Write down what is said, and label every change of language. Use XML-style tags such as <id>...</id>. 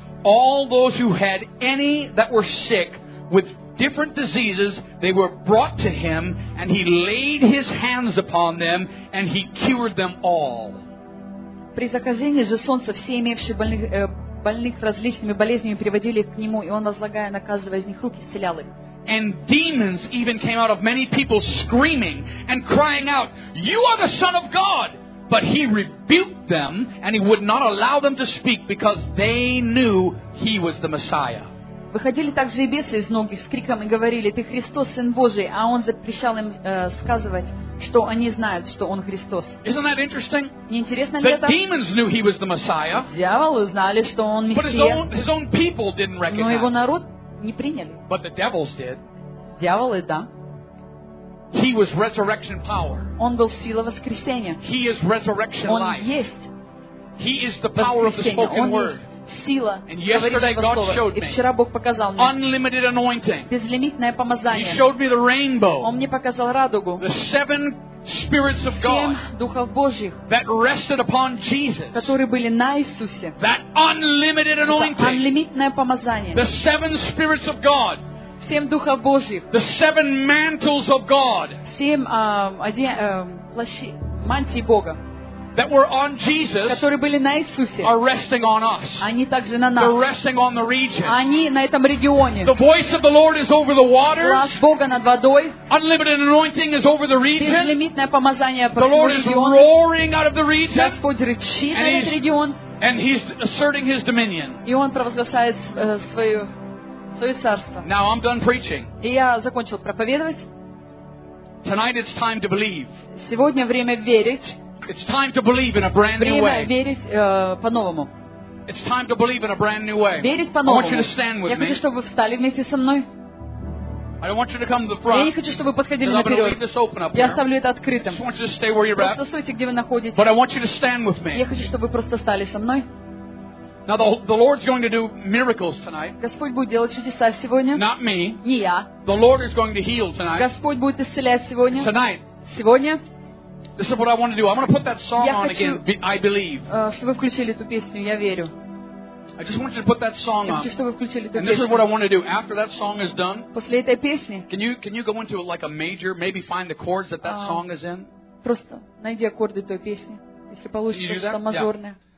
<en>All those who had any that were sick with different diseases, they were brought to him, and he laid his hands upon them, and he cured them all.</en> <ru>При заходе же солнца все имевшие больных различными болезнями приводили их к нему, и он, возлагая на каждого из них руки, исцелял их.</ru> <en>And demons even came out of many people, screaming and crying out, "You are the Son of God!" But he rebuked them, and he would not allow them to speak, because they knew he was the Messiah.</en> <ru>Выходили также и бесы из ног с криком и говорили: "Ты Христос, Сын Божий!" А он запрещал им сказывать, что они знают, что он Христос.</ru> <en>Isn't that interesting?</en> <ru>Неинтересно ли это?</ru> <en>The demons knew he was the Messiah.</en> <ru>Дьяволы знали, что он Мессия.</ru> <en>But his own people didn't recognize.</en> <ru>Но его народ не приняли.</ru> <en>But the devils did.</en> <ru>Дьяволы да.</ru> <en>He was resurrection power.</en> <ru>Он был сила воскресения.</ru> <en>He is resurrection life.</en> <ru>Он есть.</ru> <en>He is the power of the spoken word.</en> <ru>Сила.</ru> <en>And yesterday God showed me.</en> <ru>И вчера Бог показал мне.</ru> <en>Unlimited anointing.</en> <ru>Безлимитное помазание.</ru> <en>He showed me the rainbow.</en> <ru>Он мне показал радугу.</ru> <en>The seven spirits of God.</en> <ru>Семь духов Божьих.</ru> <en>That rested upon Jesus.</en> <ru>Которые были на Иисусе.</ru> <en>That unlimited anointing.</en> <ru>Безлимитное помазание.</ru> <en>The seven spirits of God.</en> <ru>Семь духов Божьих.</ru> <en>The seven mantles of God.</en> <ru>Семь мантий Бога.</ru> <en>That were on Jesus.</en> <ru>Которые были на Иисусе.</ru> <en>Are resting on us.</en> <ru>Они также на нас.</ru> <en>They're resting on the region.</en> <ru>Они на этом регионе.</ru> <en>The voice of the Lord is over the waters.</en> <ru>Глас Бога над водой.</ru> <en>Unlimited anointing is over the region.</en> <ru>Безлимитное помазание по</ru> <en>The Lord is roaring out of the region.</en> <ru>Господь рычит на этот регион.</ru> <en>And he's asserting his dominion.</en> <ru>И он провозглашает свою</ru> <en>Now I'm done preaching.</en> <ru>И я закончил проповедовать.</ru> <en>Tonight it's time to believe.</en> <ru>Сегодня время верить.</ru> <en>It's time to believe in a brand new way.</en> <ru>Время верить по-новому.</ru> <en>It's time to believe in a brand new way.</en> <ru>Верить по-новому.</ru> <en>I want you to stand with me.</en> <ru>Я хочу, чтобы вы встали вместе со мной.</ru> <en>I don't want you to come to the front.</en> <ru>Я не хочу, чтобы вы подходили наперед. Я оставлю это открытым. Просто стойте, где вы находитесь.</ru> <en>But I want you to stand with me.</en> <ru>Я хочу, чтобы вы просто стали со мной.</ru> <en>Now the Lord's going to do miracles tonight.</en> <ru>Господь будет делать чудеса сегодня.</ru> <en>Not me.</en> <ru>Не я.</ru> <en>The Lord is going to heal tonight.</en> <ru>Господь будет исцелять сегодня.</ru> <en>Tonight.</en> <ru>Сегодня.</ru> <en>This is what I want to do. I want to put that song on again. I believe.</en> <ru>Чтобы вы включили эту песню, я верю.</ru> <en>I just want you to put that song on.</en> <ru>Чтобы вы включили эту песню.</ru> <en>And this is what I want to do. After that song is done.</en> <ru>После этой песни.</ru> <en>Can you go into like a major? Maybe find the chords that song is in.</en> <ru>Просто найди аккорды той песни, если получится что-то мажорное.</ru>